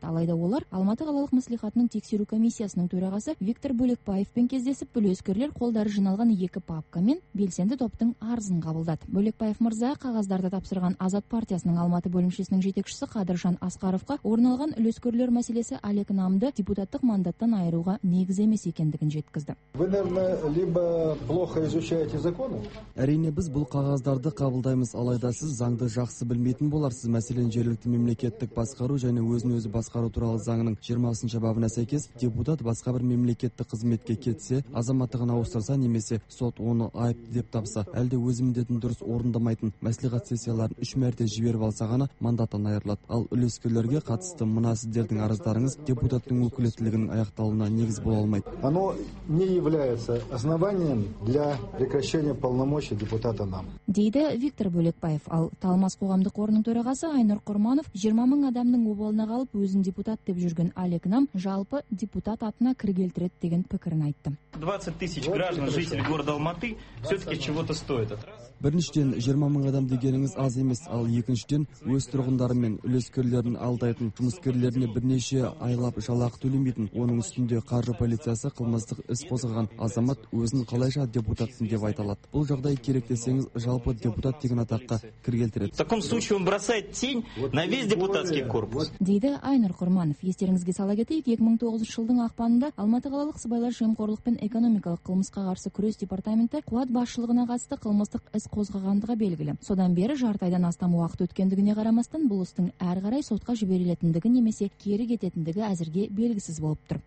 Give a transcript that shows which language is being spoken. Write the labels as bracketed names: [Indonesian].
[Kazakh] Алайда олар Алматы қалалық мәслихатының тексеру комиссиясының төрағасы Виктор Бөлекбаевпен кездесіп, бүлескерлер қолдары жиналған екі папка мен белсенді топтың арызын қабылдады. Бөлекбаев мырза қағаздарды тапсырған Азат партиясының Алматы бөлімшесінің жетекшісі Қадыржан Асқаровқа орналған үлескерлер мәселесі Олег Намды депутаттық мандаттан айыруға негіз емес екендігін жеткізді. [Russian] Вы, наверное, либо плохо изучаете законы. [Kazakh] Әрине, біз бұл қағаздарды қабылдаймыз, алайда сіз заңды жақсы білмейсіз. аларсыз. Мәселен, жергілікті мемлекеттік басқару және өзін-өзі басқару туралы заңының 20-шы бабына сәйкес депутат басқа бір мемлекеттік қызметке кетсе, азаматтығын ауыстырса немесе сот оны айыпты деп тапса, әлде өз міндетін дұрыс орындамайтын мәслихат сессияларын 3 мәрте жіберіп алса ғана мандаттан айырылады. Ал үлескерлерге қатысты мына сіздердің арыздарыңыз депутаттың өкілеттілігінің аяқталуына негіз бола алмайды. [Russian] Оно не является основанием для прекращения полномочий депутата нам. [Kazakh] Дейді Виктор Бөлекбаев. Ал Талмас қоғамдық қорының төрағасы Айнұр Құрманов 20 мың адамның обалына қалып өзін депутат деп жүрген Алек Нам жалпы депутат атына кір келтіреді деген пікірін айтты. [Russian] 20 тысяч граждан, жителей города Алматы все-таки чего-то стоит. [Kazakh] Біріншіден 20 мың адам дегеніңіз аз емес, ал екіншіден өз тұрғындары мен үлескерлерін алдайтын, жұмыскерлеріне бірнеше айлап жалақы төлемейтін, оның үстінде қаржы полициясы қылмыстық іс қозғаған азамат өзін қалайша депутатсың деп айта алады. Бұл жағдай керек десеңіз, жалпы депутат деген атаққа кір келтіреді. [Russian] В таком случае он бросает тень на весь депутатский корпус. [Kazakh] Дейді Айнұр Құрманов. Естеріңізге сала кетейік, 2009 жылдың ақпанында Алматы қалалық сыбайлас жемқорлық пен экономикалық қылмысқа қарсы күрес департаменті қуат басшылығына қатысты қылмыстық іс қозғағандығы белгілі. Содан бері жарты айдан астам уақыт өткендігіне қарамастан, бұл істің әрі қарай сотқа жіберілетіндігі немесе кері кететіндігі әзірге белгісіз болып тұр.